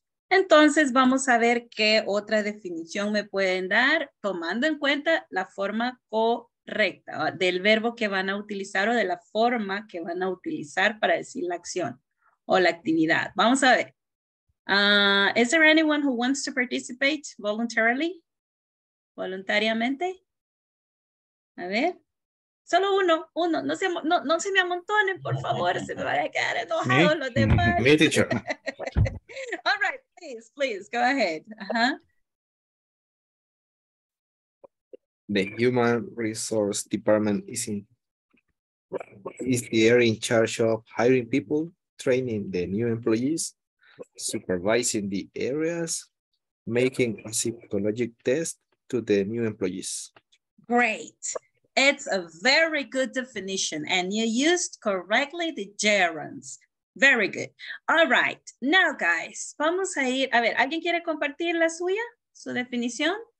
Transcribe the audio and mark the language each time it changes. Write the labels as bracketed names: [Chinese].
[Spanish] Entonces, vamos a ver qué otra definición me pueden dar tomando en cuenta la forma correcta, del verbo que van a utilizar o de la forma que van a utilizar para decir la acción o la actividad. Vamos a ver. [English] Is there anyone who wants to participate voluntarily? [Spanish] Voluntariamente? A ver. Solo uno. No se me amontonen, por favor. Se me van a quedar enojados los demás. [English] Me, teacher. All right, please, go ahead. The Human Resource Department is the area in charge of hiring people, training the new employees, supervising the areas, making a psychological test to the new employees. Great. It's a very good definition and you used correctly the gerunds. Very good. All right. Now, guys, [Spanish] vamos a ir. A ver, ¿alguien quiere compartir la suya, su definición?